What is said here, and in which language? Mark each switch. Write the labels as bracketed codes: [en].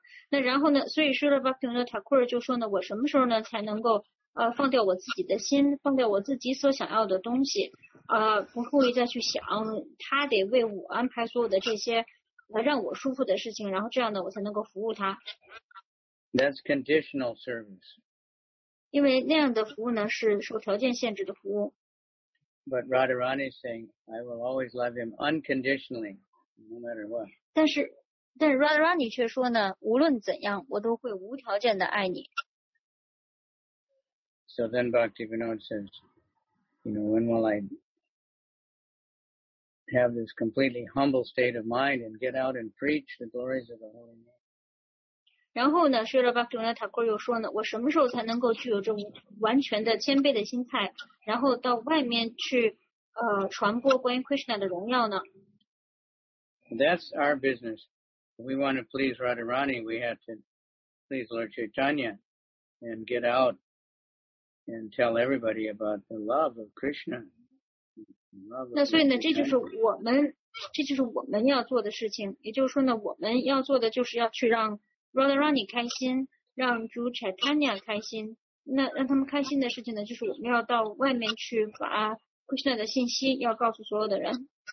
[zh] 那然后呢，所以说巴平的塔库尔就说呢，我什么时候呢才能够放掉我自己的心，放掉我自己所想要的东西，不会再去想他得为我安排所有的这些来让我舒服的事情，然后这样呢我才能够服务他。 [en] That's conditional service. [zh] 因为那样的服务呢是受条件限制的服务。 [en] But Radharani is saying, I will always love him unconditionally, no matter what. [zh] 但是 Radharani 却说呢，无论怎样，我都会无条件的爱你。 [en] So then Bhaktivinoda says, you know, when will I have this completely humble state of mind and get out and preach the glories of the Holy Name? [zh] 然后呢，Srila Bhaktivinoda Thakur又说呢，我什么时候才能够具有这完全的谦卑的心态，然后到外面去传播关于 Krishna 的荣耀呢？ [en] That's our business. We want to please Radharani, we have to please Lord Chaitanya and get out. And tell everybody about the love of Krishna. Love of [zh] 那所以呢，这就是我们要做的事情。也就是说呢，我们要做的就是要去让 Radharani 开心，让 Guru Chaitanya 开心。那让他们开心的事情呢，就是我们要到外面去把 Krishna 的信息要告诉所有的人。